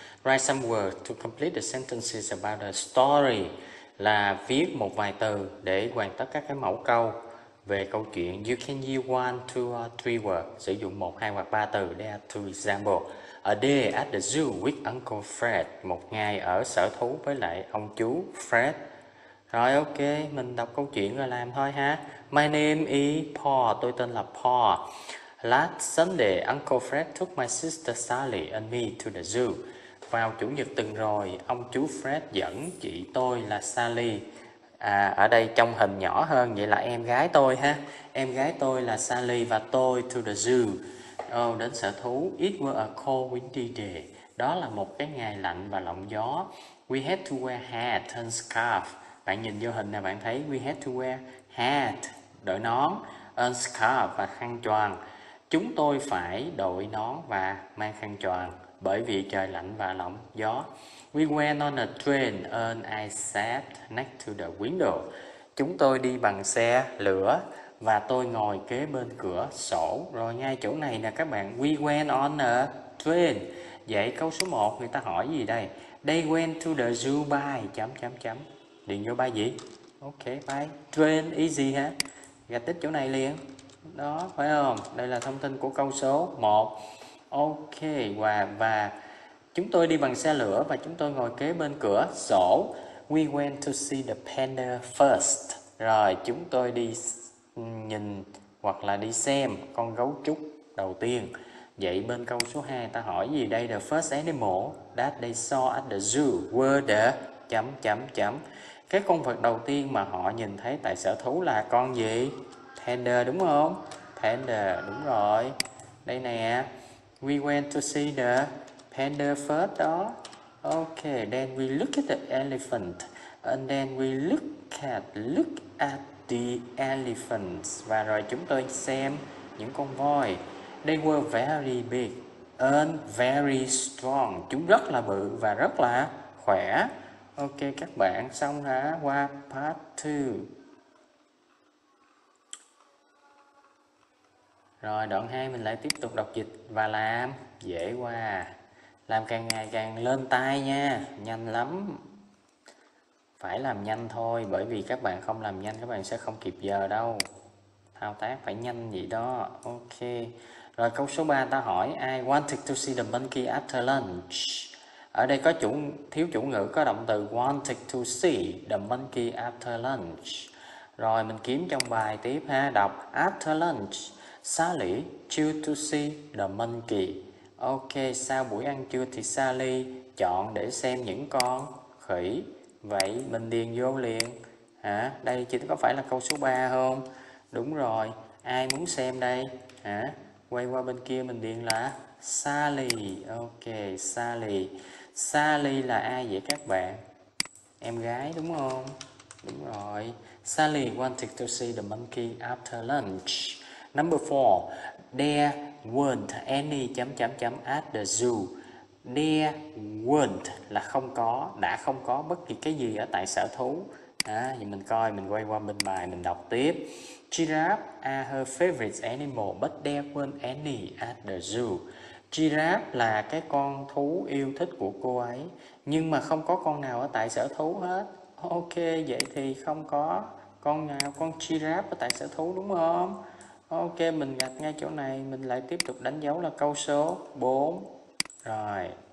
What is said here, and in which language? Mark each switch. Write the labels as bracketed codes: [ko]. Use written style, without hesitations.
[en] Write some words to complete the sentences about the story. [vi] Là viết một vài từ để hoàn tất các cái mẫu câu về câu chuyện. [en] You can use 1, 2 or 3 words. [vi] Sử dụng 1, 2 hoặc 3 từ. [en] There are 2 examples. A day at the zoo with Uncle Fred. [vi] Một ngày ở sở thú với lại ông chú Fred. Rồi, ok, mình đọc câu chuyện rồi làm thôi ha. [en] My name is Paul, [vi] tôi tên là Paul. [en] Last Sunday, Uncle Fred took my sister Sally and me to the zoo. [vi] Vào chủ nhật tuần rồi, ông chú Fred dẫn chị tôi là Sally. À, ở đây trong hình nhỏ hơn, vậy là em gái tôi ha. Em gái tôi là Sally và tôi [en] to the zoo. [vi] Oh, đến sở thú. [en] It was a cold windy day. [vi] Đó là một cái ngày lạnh và lộng gió. [en] We had to wear hat and scarf. [vi] Bạn nhìn vô hình nè, bạn thấy [en] we had to wear hat, [vi] đội nón, [en] and scarf [vi] và khăn choàng. Chúng tôi phải đội nón và mang khăn choàng bởi vì trời lạnh và lộng gió. [en] We went on a train and I sat next to the window. [vi] Chúng tôi đi bằng xe lửa và tôi ngồi kế bên cửa sổ. Rồi ngay chỗ này nè các bạn, [en] we went on a train. [vi] Vậy câu số 1 người ta hỏi gì đây? [en] They went to the zoo by [vi] chấm chấm chấm. Điền vô bài gì? Ok, bài train easy ha. Gạch tích chỗ này liền. Đó, phải không? Đây là thông tin của câu số 1. Ok, và chúng tôi đi bằng xe lửa và chúng tôi ngồi kế bên cửa sổ. [en] We went to see the panda first. [vi] Rồi, chúng tôi đi nhìn hoặc là đi xem con gấu trúc đầu tiên. Vậy bên câu số 2 ta hỏi gì đây? [en] The first animal that they saw at the zoo were the [vi] chấm chấm chấm. Cái con vật đầu tiên mà họ nhìn thấy tại sở thú là con gì? Panda, đúng không? Panda, đúng rồi. Đây nè. [en] We went to see the panda first [vi] đó. [en] Ok, then we look at the elephant. And then we look at the elephants. [vi] Và rồi chúng tôi xem những con voi. [en] They were very big and very strong. [vi] Chúng rất là bự và rất là khỏe. Ok các bạn, xong hả? Qua part 2. Rồi, đoạn 2 mình lại tiếp tục đọc dịch và làm. Dễ quá. Làm càng ngày càng lên tay nha. Nhanh lắm. Phải làm nhanh thôi. Bởi vì các bạn không làm nhanh, các bạn sẽ không kịp giờ đâu. Thao tác phải nhanh vậy đó. Ok. Rồi, câu số 3 ta hỏi. [en] I wanted to see the monkey after lunch. [vi] Ở đây có thiếu chủ ngữ, có động từ [en] wanted to see the monkey after lunch. [vi] Rồi mình kiếm trong bài tiếp ha. Đọc [en] after lunch, Sally chose to see the monkey. [vi] Ok, sau buổi ăn trưa thì Sally chọn để xem những con khỉ. Vậy mình điền vô liền. Hả? Đây chỉ có phải là câu số 3 không? Đúng rồi, ai muốn xem đây? Hả? Quay qua bên kia mình điền là Sally. Ok, Sally. Sally là ai vậy các bạn? Em gái đúng không? Đúng rồi. [en] Sally wanted to see the monkey after lunch. Number 4. There weren't any [vi] chấm chấm chấm [en] at the zoo. [vi] There weren't là không có, đã không có bất kỳ cái gì ở tại sở thú. À, thì mình coi, mình quay qua bên bài, mình đọc tiếp. [en] Giraffe are her favorite animal, but there weren't any at the zoo. [vi] Giraffe là cái con thú yêu thích của cô ấy, nhưng mà không có con nào ở tại sở thú hết. Ok, vậy thì không có con nào, con giraffe ở tại sở thú đúng không? Ok, mình gạch ngay chỗ này, mình lại tiếp tục đánh dấu là câu số 4. Rồi.